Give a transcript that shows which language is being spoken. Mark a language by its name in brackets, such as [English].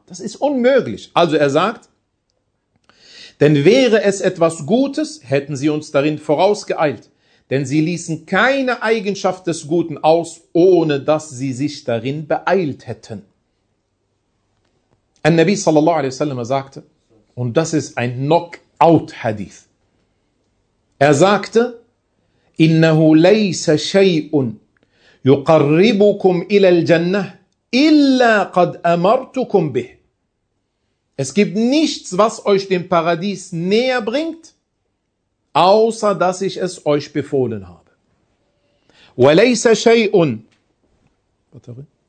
[German] Das ist unmöglich. Also er sagt, denn wäre es etwas Gutes, hätten sie uns darin vorausgeeilt. Denn sie ließen keine Eigenschaft des Guten aus, ohne dass sie sich darin beeilt hätten. An-Nabi sallallahu alaihi wasallam sagte, und das ist ein Knockout-Hadith. Er sagte, [Arabic] إِنَّهُ لَيْسَ شَيْءٌ يُقَرِّبُكُمْ إِلَى الْجَنَّةِ إِلَّا قَدْ أَمَرْتُكُمْ بِهِ. [German] Es gibt nichts, was euch dem Paradies näher bringt, außer dass ich es euch befohlen habe. [Arabic] وَلَيْسَ شَيْءٌ. [German] Batterie.